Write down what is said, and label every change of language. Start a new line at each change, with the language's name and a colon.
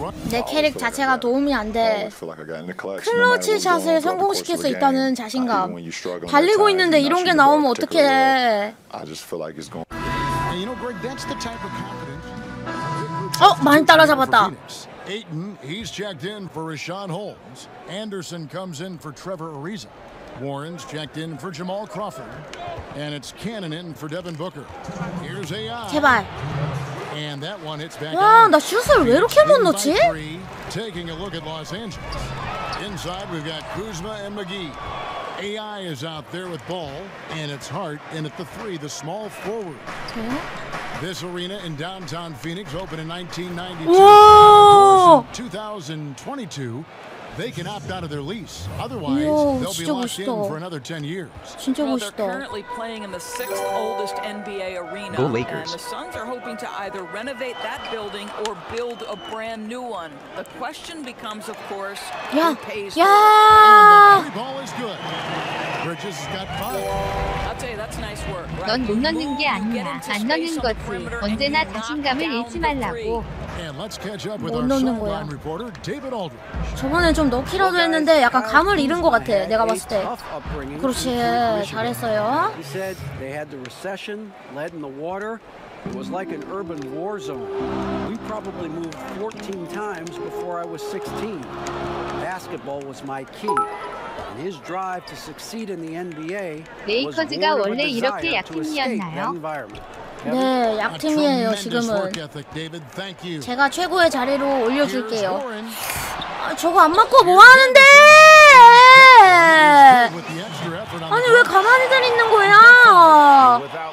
Korean: 내 캐릭 자체가 도움이 안 돼. 클러치 샷을 성공시킬 수 있다는 자신감. 달리고 있는데 이런 게 나오면 어떡해.
English: I just feel like it's going. And you know, Greg, that's the type of confidence.
Korean: 어, 많이 따라잡았다.
English: Ayton, he's checked in for Rashawn Holmes. Anderson comes in for Trevor Ariza. Warren's checked in for Jamal Crawford. And it's Cannon in for Devin Booker. Here's AI.
Korean: 제발.
English: And that one hits back.
Korean: 와, 나 슛을 왜 이렇게 못 넣지?
English: Taking a look at Los Angeles. Inside we've got Kuzma and McGee. AI is out there with ball and it's Hart and at the three, the small forward. This arena in downtown Phoenix opened in 1992. Whoa! In 2022, they can opt out of their lease. Otherwise, Yo, they'll be locked
Korean: 멋있다.
English: In for another 10 years. Well, they're currently playing in the sixth oldest NBA arena. Go Lakers. And the Suns are hoping to either renovate that building or build a brand new one. The question becomes, of course, yeah. Who pays yeah. And the ball is good. Bridges has got five. That's nice work. Right?
Korean: 넌 못 넣는 게 아니야. 안 넣는 거지. 언제나 자신감을 잃지 말라고.
English: And let's catch up with our sideline reporter, David Aldridge.
Korean: 저번에 좀 넣기라도 했는데 약간 감을 잃은 것 같아. 내가 봤을 때. 그렇지. 잘했어요.
English: He said they had the recession, lead in the water. It was like an urban war zone. We probably moved 14 times before I was 16. Basketball was my key. And his drive to succeed in the NBA was born with a desire to escape the environment.
Korean: 네, 약팀이에요, 지금은. 제가 최고의 자리로 올려줄게요. 아, 저거 안 맞고 뭐 하는데! 아니, 왜 가만히들 있는 거야?